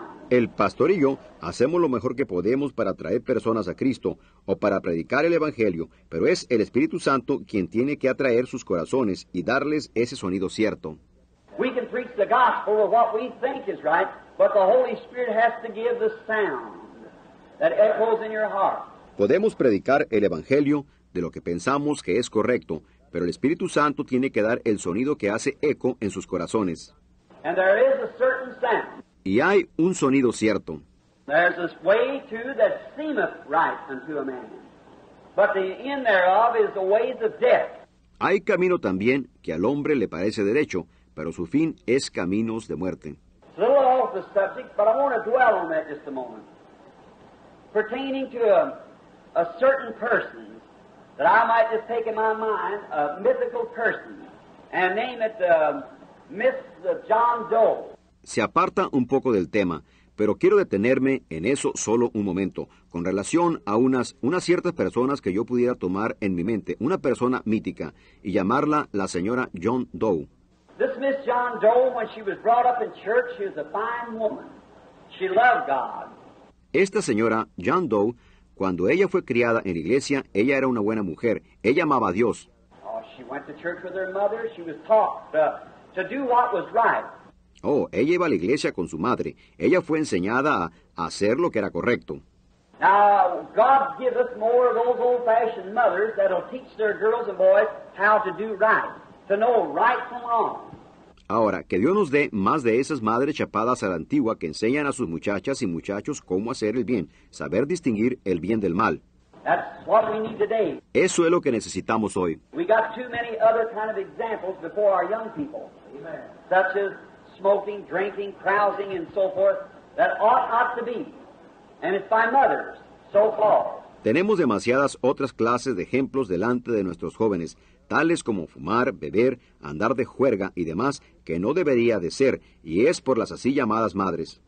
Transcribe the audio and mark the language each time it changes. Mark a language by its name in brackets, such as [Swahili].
[Spanish] El pastor y yo hacemos lo mejor que podemos para atraer personas a Cristo o para predicar el Evangelio, pero es el Espíritu Santo quien tiene que atraer sus corazones y darles ese sonido cierto. [English] We can preach the gospel of what we think is right, but the Holy Spirit has to give the sound that echoes in your heart. [Spanish] Podemos predicar el Evangelio de lo que pensamos que es correcto, pero el Espíritu Santo tiene que dar el sonido que hace eco en sus corazones. [English] And there is a certain sound. [Spanish] Y hay un sonido cierto. [English] There's a way too that seemeth right unto a man, but the end thereof is the ways of death. [Spanish] Hay camino también que al hombre le parece derecho, pero su fin es caminos de muerte. [English] It's a little off the subject, but I want to dwell on that just a moment. Pertaining to a certain person that I might just take in my mind, a mythical person, and name it Miss John Doe. [Spanish] Se aparta un poco del tema, pero quiero detenerme en eso solo un momento, con relación a unas ciertas personas que yo pudiera tomar en mi mente, una persona mítica, y llamarla la señora John Doe. [English] This Miss John Doe, when she was brought up in church, she was a fine woman. She loved God. [Spanish] Esta señora, John Doe, cuando ella fue criada en la iglesia, ella era una buena mujer. Ella amaba a Dios. [English] Oh, she went to church with her mother. She was taught to do what was right. [Spanish] Oh, ella iba a la iglesia con su madre. Ella fue enseñada a hacer lo que era correcto. [English] Now, God giveth more of those old-fashioned mothers that'll teach their girls and boys how to do right. To know right from wrong. [Spanish] Ahora, que Dios nos dé más de esas madres chapadas a la antigua que enseñan a sus muchachas y muchachos cómo hacer el bien, saber distinguir el bien del mal. [English] That's what we need today. [Spanish] Eso es lo que necesitamos hoy. [English] We got too many other kind of examples before our young people. Amen. Such as smoking, drinking, carousing, and so forth, that ought not to be. And it's by mothers, so called. [Spanish] Tenemos demasiadas otras clases de ejemplos delante de nuestros jóvenes, tales como fumar, beber, andar de juerga y demás, que no debería de ser, y es por las así llamadas madres.